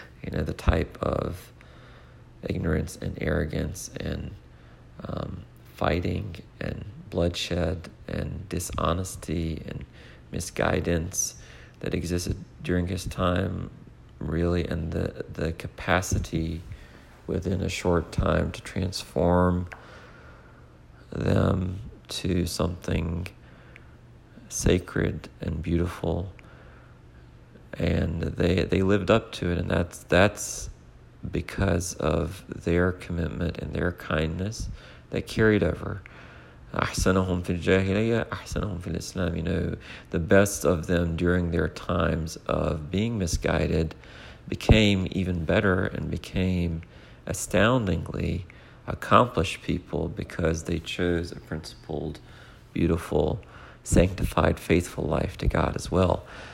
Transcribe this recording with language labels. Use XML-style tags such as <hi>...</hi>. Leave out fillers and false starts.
<en>The type of ignorance and arrogance and fighting and bloodshed and dishonesty and misguidance that existed during his time, really, and the capacity within a short time to transform them to something sacred and beautiful. And they lived up to it, and that's because of their commitment and their kindness that carried over.</en> <ar>أحسنهم في الجاهلية أحسنهم في الإسلام.</ar> <en>The best of them during their times of being misguided became even better and became astoundingly accomplished people because they chose a principled, beautiful, sanctified, faithful life to God as well.</en>